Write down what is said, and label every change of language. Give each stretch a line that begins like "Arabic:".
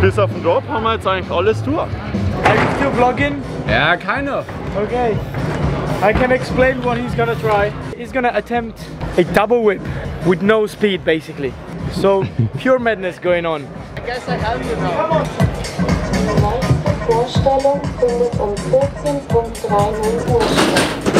German: Bis auf den Dorf haben wir jetzt eigentlich alles durch. Kannst du vloggen?
English: Ja, kind of. Okay. I can explain what he's gonna try. He's gonna attempt a double whip with no speed basically. So pure madness going on. I guess I have you now. Come on!
German: Die Vorstellung findet um 14.30 Uhr statt.